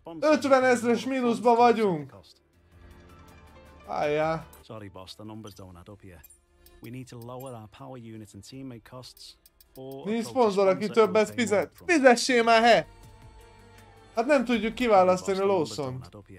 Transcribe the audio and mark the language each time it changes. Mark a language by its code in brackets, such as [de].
[hu] 50 ezres mínuszban vagyunk! Ajá. [en] Sorry boss, the numbers don't add up here. We need to lower our power units and teammate costs. [hu] Nincs szponzor, aki többet fizet. Fizessé már, he! Hát nem tudjuk kiválasztani a Lawson-t.